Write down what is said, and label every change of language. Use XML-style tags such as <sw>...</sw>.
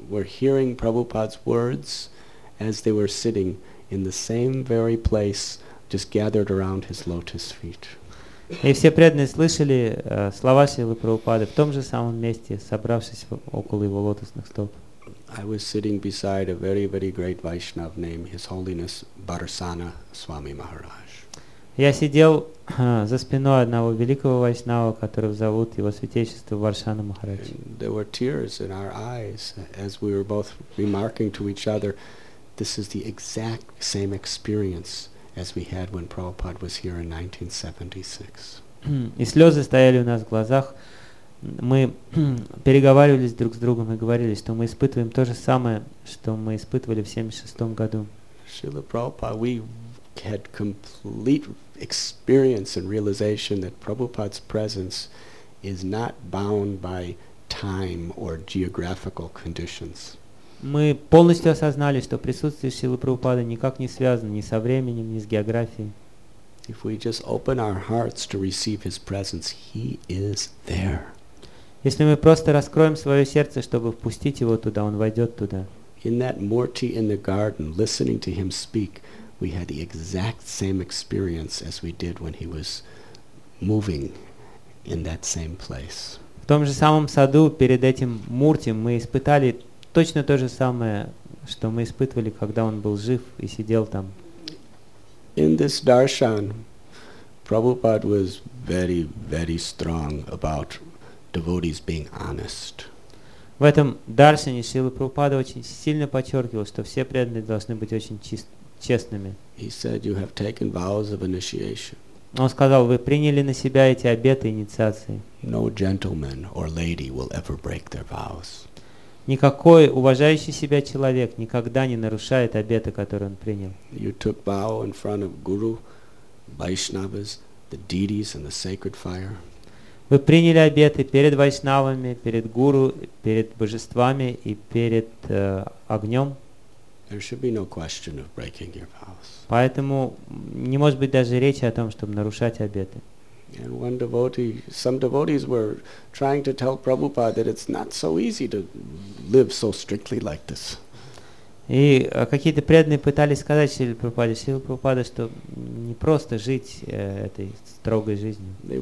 <en>All the devotees were hearing Prabhupada's words as they were sitting in the same very place, just gathered around his lotus feet.</en> <ru>И все преданные слышали слова Шрилы Прабхупады в том же самом месте, собравшись около его лотосных стоп.</ru> <en>I was sitting beside a very, very great Vaishnava named His Holiness Barsana Swami Maharaj.</en> <ru>Я сидел за спиной одного великого вайшнава, которого зовут его святейшество Варшана Махарадж.</ru> <en>There were tears in our eyes as we were both remarking to each other, this is the exact same experience as we had when Prabhupada was here in 1976.</en> <ru>И слезы стояли у нас в глазах. Мы переговаривались друг с другом и говорили, что мы испытываем то же самое, что мы испытывали в 76 году.</ru> <en>Srila Prabhupada, we had complete experience and realization that Prabhupada's presence is not bound by time or geographical conditions.</en> <ru>Мы полностью осознали, что присутствие Шрилы Прабхупады никак не связано ни со временем, ни с географией.</ru> <en>If we just open our hearts to receive His presence, He is there.</en> <ru>Если мы просто раскроем свое сердце, чтобы впустить его туда, он войдет туда.</ru> <en>In that murti in the garden, listening to him speak, we had the exact same experience as we did when he was moving in that same place.</en> <ru>В том же самом саду перед этим мурти мы испытали точно то же самое, что мы испытывали, когда он был жив и сидел там.</ru> <en>In this darshan, Prabhupada was very, very strong about devotees being honest.</en> <ru>В этом даршане Шрила Прабхупада очень сильно подчеркивал, что все преданные должны быть очень честными.</ru> <en>He said, "You have taken vows of initiation."</en> <ru>Он сказал, вы приняли на себя эти обеты инициации.</ru> <en>No gentleman or lady will ever break their vows.</en> <ru>Никакой уважающий себя человек никогда не нарушает обеты, которые он принял.</ru> <en>You took vow in front of guru, Vaishnavas, the deities, and the sacred fire.</en> <ru>Вы приняли обеты перед вайшнавами, перед гуру, перед божествами и перед огнем.</ru> <en>There should be no question of breaking your vows.</en> <ru>Поэтому не может быть даже речи о том, чтобы нарушать обеты.</ru> <en>And one devotee, some devotees were trying to tell Prabhupada that it's not so easy to live so strictly like this.</en> <ru>И какие-то преданные пытались сказать Шриле Прабхупаде, Шриле Прабхупаде, что не просто жить этой строгой жизнью.</ru>